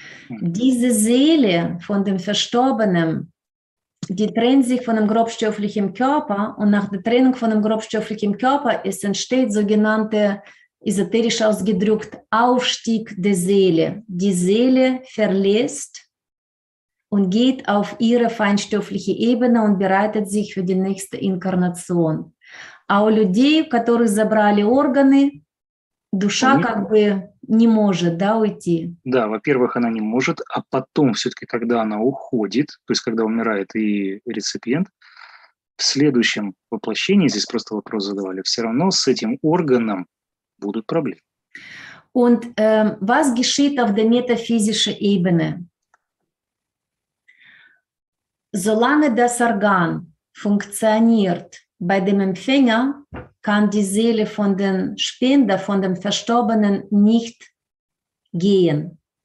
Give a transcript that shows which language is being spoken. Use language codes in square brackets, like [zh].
[de] Diese Seele von dem Verstorbenen, die trennt sich von dem grobstofflichen Körper und nach der Trennung von dem grobstofflichen Körper entsteht sogenannte, esoterisch ausgedrückt, Aufstieg der Seele. Die Seele verlässt und geht auf ihre feinstoffliche Ebene und bereitet sich für die nächste Inkarnation. [ru] А у людей, которые забрали органы, душа как бы не может, да, уйти? Да, во-первых, она не может, а потом все-таки, когда она уходит, то есть когда умирает и реципиент, в следующем воплощении, здесь просто вопрос задавали, все равно с этим органом будут проблемы. [de] Und was geschieht auf der metaphysischen Ebene? Solange das Organ funktioniert bei dem Empfänger, kann die Seele von dem Spender, von dem Verstorbenen nicht gehen.